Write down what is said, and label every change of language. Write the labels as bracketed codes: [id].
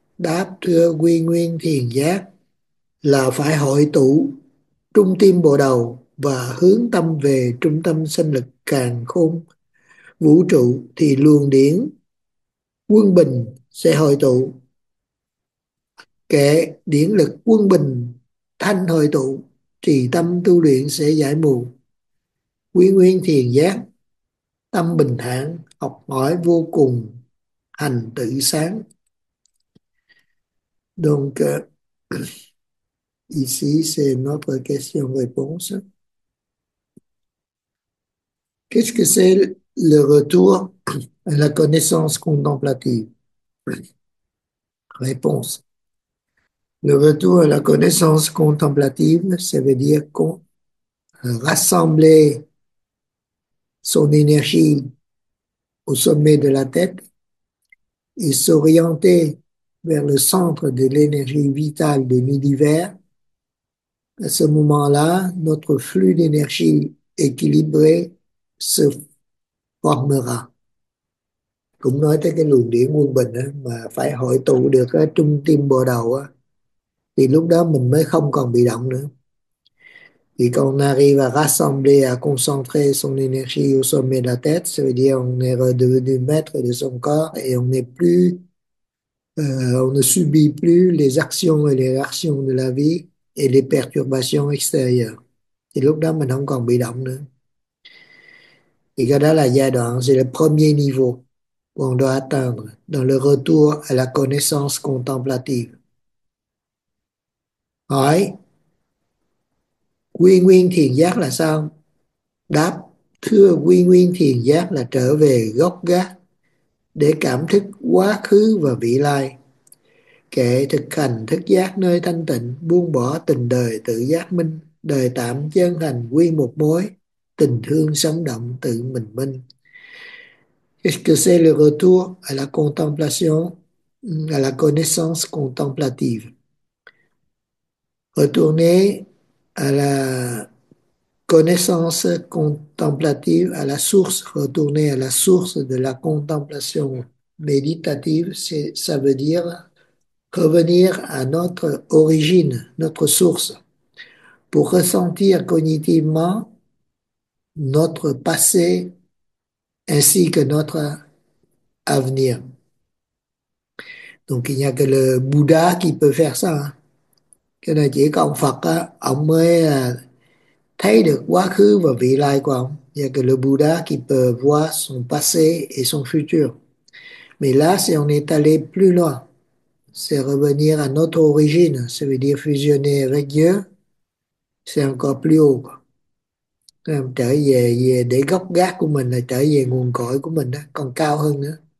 [vi] Đáp, thưa, quy nguyên thiền giác là phải hội tụ trung tâm bộ đầu và hướng tâm về trung tâm sinh lực càn khôn vũ trụ, thì luồng điển quân bình sẽ hội tụ, kể điển lực quân bình thanh hội tụ, thì tâm tu luyện sẽ giải mù. Quy nguyên thiền giác, tâm bình thản, học hỏi vô cùng, hành tự sáng. [fr] Donc, ici c'est notre question-réponse. Qu'est-ce que c'est le retour à la connaissance contemplative? Réponse. Le retour à la connaissance contemplative, ça veut dire qu'on rassemblait son énergie au sommet de la tête et s'orienter vers le centre de l'énergie vitale de l'univers. À ce moment-là, notre flux d'énergie équilibré se formera. [vi] Cũng nói tới cái luồng điển quân bình ấy, mà phải hội tụ được cái trung tâm bộ đầu ấy, thì lúc đó mình mới không còn bị động nữa. [fr] et qu'on arrive à rassembler, à concentrer son énergie au sommet de la tête, ça veut dire on est redevenu maître de son corps et on n'est plus, on ne subit plus les actions et les réactions de la vie et les perturbations extérieures. [vi] Et lúc đó mình không còn bị động nữa. [fr] Et [vi] cái đó là giai đoạn, [fr] c'est le premier niveau où on doit atteindre dans le retour à la connaissance contemplative. [vi] Hỏi, quy nguyên thiền giác là sao? Đáp, thưa quy nguyên thiền giác là trở về gốc gác để cảm thức quá khứ và vị lai. Kệ thực hành thức giác nơi thanh tịnh, buông bỏ tình đời tự giác minh, đời tạm chân thành quy một mối, tình thương sống động tự mình minh. [fr] Qu'est-ce que c'est le retour à la contemplation, à la connaissance contemplative? Retourner à la connaissance contemplative, à la source, retourner à la source de la contemplation méditative, ça veut dire revenir à notre origine, notre source, pour ressentir cognitivement notre passé ainsi que notre avenir. Donc il n'y a que le Bouddha qui peut faire ça. [vi] Cái này chỉ có ông Phật á, ông mới thấy được quá khứ và vị lai của ông. [fr] Il n'y a que le Bouddha qui peut voir son passé et son futur. Mais là, si on est allé plus loin, c'est revenir à notre origine, ça veut dire fusionner avec Dieu, c'est encore plus haut, quoi. [vi] Trở về để gốc gác của mình là trở về nguồn cội của mình đó, còn cao hơn nữa.